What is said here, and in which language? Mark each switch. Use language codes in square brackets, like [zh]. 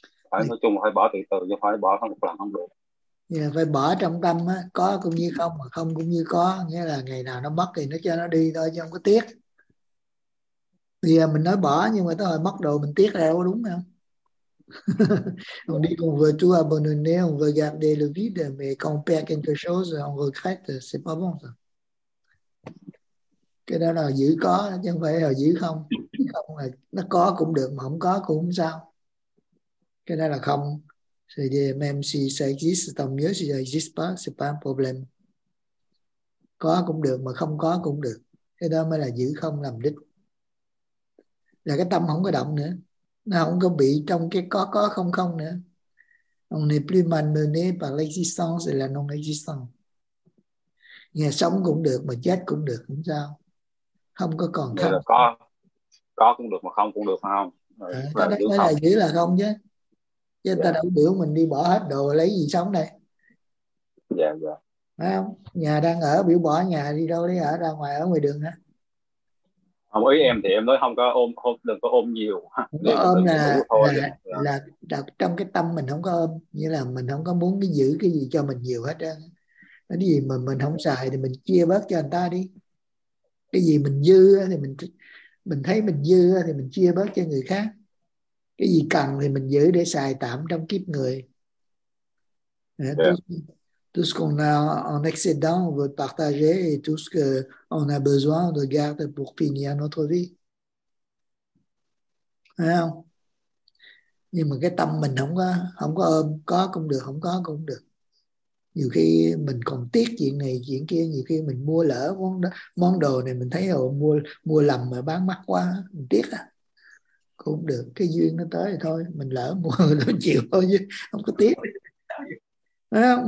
[vi] Phải nói chung là phải bỏ từ từ, chứ phải bỏ một lần không được. Yeah, phải bỏ trong tâm á, có cũng như không, mà không cũng như có, nghĩa là ngày nào nó mất thì nó cho nó đi thôi chứ không có tiếc. Bây giờ mình nói bỏ nhưng mà tới hồi mất đồ mình tiếc ra đâu, đúng không? [fr] On dit qu'on veut tout abandonner, on veut garder le vide, mais quand on perd quelque chose, on regrette, c'est pas bon ça. [vi] Cái đó là giữ có chứ không phải là giữ không. Không là nó có cũng được mà không có cũng không sao. Cái đó là không. [fr] C'est-à-dire, même si ça existe, tant mieux, si ça existe pas, c'est pas un problème. [vi] Có cũng được, mà không có cũng được. Cái đó mới là giữ không làm đích. Là cái tâm không có động nữa. Nó không có bị trong cái có không không nữa. [fr] On n'est plus malmené par l'existence et la non-existence. [vi] Nghe sống cũng được, mà chết cũng được, cũng sao. Không có còn không. Có cũng được, mà không cũng được, phải không? À, cái đó mới là giữ là không chứ. Chứ yeah. Ta đâu biểu mình đi bỏ hết đồ lấy gì sống đây. Dạ, yeah, dạ. Yeah. Phải không? Nhà đang ở, biểu bỏ nhà đi đâu lấy ở, ra ngoài ở ngoài đường hả? Không, ý em thì em nói không có ôm, không, đừng có ôm nhiều. Có ôm là trong cái tâm mình không có ôm. Như là mình không có muốn cái giữ cái gì cho mình nhiều hết á. Cái gì mà mình không xài thì mình chia bớt cho người ta đi. Cái gì mình dư thì mình thấy mình dư thì mình chia bớt cho người khác. Cái gì cần thì mình giữ để xài tạm trong kiếp người. Yeah. [fr] Tout ce qu'on a en excédent, on veut partager et tout ce qu'on a besoin, on le garde pour finir notre vie. [vi] Thấy không? Nhưng mà cái tâm mình không có ôm, có cũng được, không có cũng được. Nhiều khi mình còn tiếc chuyện này, chuyện kia, nhiều khi mình mua lỡ món đồ này, mình thấy họ mua lầm mà bán mắc quá, mình tiếc à. Cũng được, cái duyên nó tới thì thôi, mình lỡ mua nó chịu thôi chứ không có tiếc. Không?